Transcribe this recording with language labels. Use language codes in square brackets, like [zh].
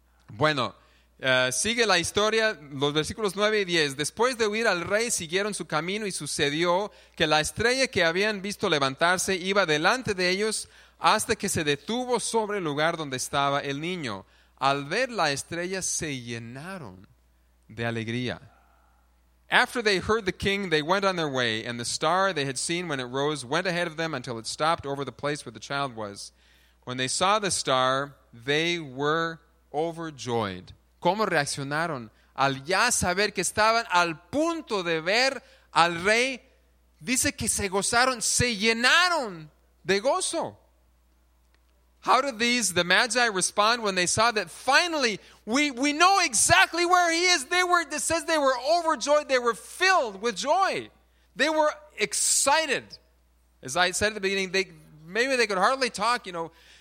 [es] Bueno, sigue la historia, los versículos 9 y 10. Después de huir al rey, siguieron su camino y sucedió que la estrella que habían visto levantarse iba delante de ellos hasta que se detuvo sobre el lugar donde estaba el niño. Al ver la estrella, se llenaron de alegría. [en] After they heard the king, they went on their way, and the star they had seen when it rose went ahead of them until it stopped over the place where the child was. When they saw the star, they were overjoyed. [es] ¿Cómo reaccionaron al ya saber que estaban al punto de ver al rey? Dice que se gozaron, se llenaron de gozo. [en] How did these, the Magi, respond when they saw that finally we know exactly where he is? It says they were overjoyed. They were filled with joy. They were excited. As I said at the beginning, they could hardly talk, you know.